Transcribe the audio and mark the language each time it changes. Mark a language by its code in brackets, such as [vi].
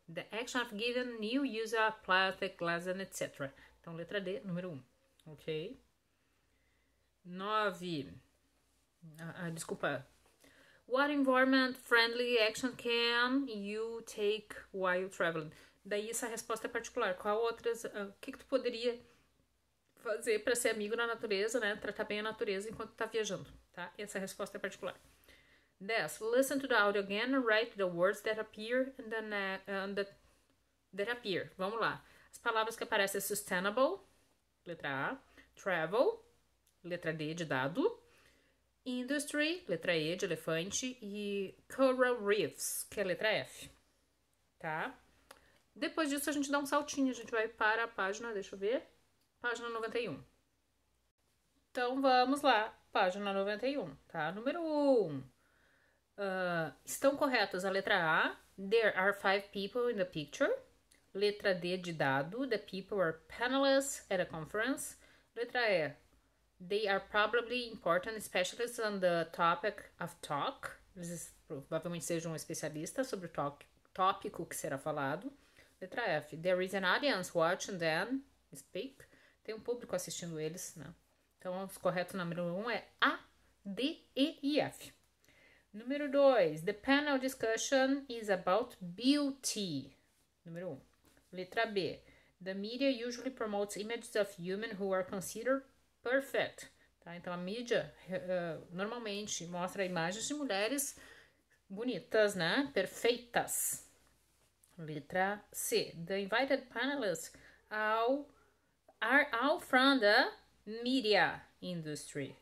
[en] The action of giving new use of plastic, glass, and etc. [pt] Então, letra D, número 1. Ok? 9. Desculpa. [en] What environment-friendly action can you take while traveling? [pt] Daí essa resposta é particular. Qual outras, que tu poderia fazer para ser amigo da natureza, né? Tratar bem a natureza enquanto tá viajando, tá? Essa resposta é particular. 10. [en] Listen to the audio again and write the words that appear in the that appear. [pt] Vamos lá. As palavras que aparecem é sustainable, letra A, travel, letra D, de dado. Industry, letra E, de elefante, e coral reefs, que é a letra F, tá? Depois disso, a gente dá um saltinho, a gente vai para a página, deixa eu ver, página 91. Então, vamos lá, página 91, tá? Número 1. Estão corretas a letra A, [en] there are five people in the picture. [pt] Letra D, de dado, [en] the people are panelists at a conference. [pt] Letra E. [en] They are probably important specialists on the topic of talk. [pt] Eles provavelmente sejam um especialista sobre o tópico que será falado. Letra F. [en] There is an audience watching them speak. [pt] Tem um público assistindo eles, né? Então, os corretos número 1 é A, D, E e F. Número 2. [en] The panel discussion is about beauty. [pt] Número 1. Letra B. [en] The media usually promotes images of women who are considered perfect, tá? [pt] Então a mídia normalmente mostra imagens de mulheres bonitas, né? Perfeitas. Letra C. [en] The invited panelists are all from the media industry.